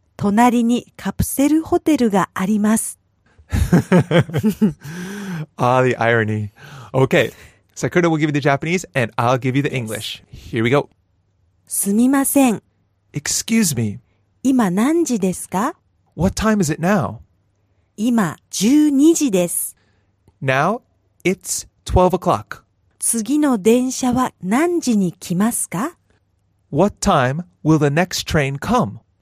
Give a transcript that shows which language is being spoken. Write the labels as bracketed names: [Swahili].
[Japanese] 隣にカプセルホテルがあります。 [English] Ah, the irony. Okay. Sakura will give you the Japanese and I'll give you the English. Here we go. [Japanese] すみません。 [English] Excuse me. [Japanese] 今何時ですか？ [English] What time is it now? [Japanese] 今12時です。 [English] Now? It's 12 o'clock. [Japanese] 次の電車は何時に来ますか? [English] What time will the next train come?